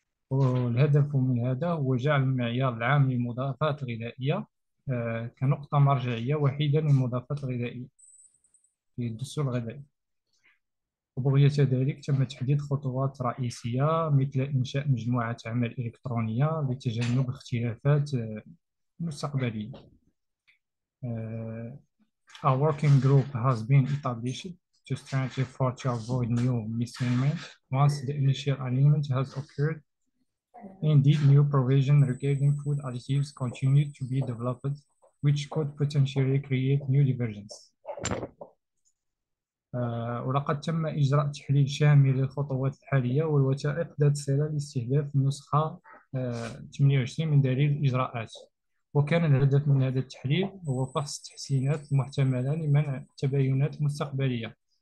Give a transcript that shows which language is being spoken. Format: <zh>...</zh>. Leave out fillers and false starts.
<ar>والهدف من هذا هو جعل المعيار العام للمضافات الغذائية كنقطة مرجعية وحيدة للمضافات الغذائية في الدستور الغذائي. وبغية ذلك تم تحديد خطوات رئيسية مثل إنشاء مجموعة عمل إلكترونية لتجنب اختلافات مستقبلية.</ar> <en>A working group has been established to strengthen efforts to avoid new misalignment once the initial alignment has occurred. Indeed, new provision regarding food additives continue to be developed, which could potentially create new divergence.</en> <ar>ولقد تم إجراء تحليل شامل للخطوات الحالية والوثائق ذات صلة لاستهداف النسخة 28 من دليل الإجراءات، وكان الهدف من هذا التحليل هو فحص التحسينات المحتملة لمنع التباينات المستقبلية.</ar>